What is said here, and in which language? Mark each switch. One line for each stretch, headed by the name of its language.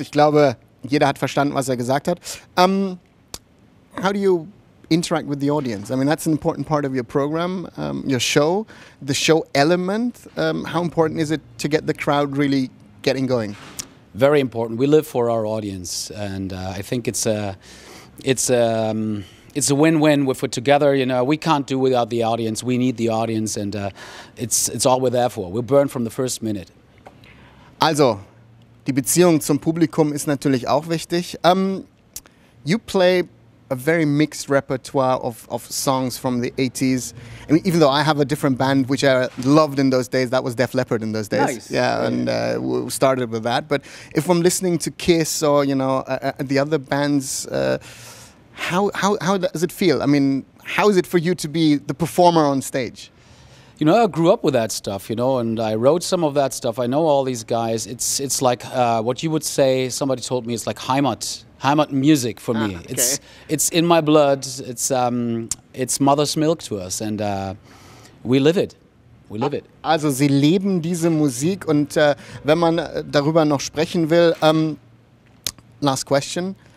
German: Ich glaube, jeder hat verstanden, was gesagt hat.
English: How do you interact with the audience? I mean, that's an important part of your program, your show, the show element. How important is it to get the crowd really getting going? Very important. We live for our audience. And I think it's a win-win if we're together. You know, we can't do without the audience. We need the audience, and it's all we're there for. We'll burn from the first minute.
German: Also, die Beziehung zum Publikum ist natürlich auch wichtig.
English: You play a very mixed repertoire of songs from the 80s. I mean, even though I have a different band, which I loved in those days, that was Def Leppard in those days. Yeah, and we started with that. But if I'm listening to Kiss or, you know, the other bands, How does it feel? I mean, how is it for you to be the performer on stage? You know, I grew up with that stuff, you know, and I wrote some of that stuff. I know all these guys. It's like what you would say, somebody told me, it's like Heimat music for me. Ah, okay. It's in my blood. It's mother's milk to us, and we live it. We live it.
German: Also, sie leben diese Musik, und wenn man darüber noch sprechen will,
English: last question.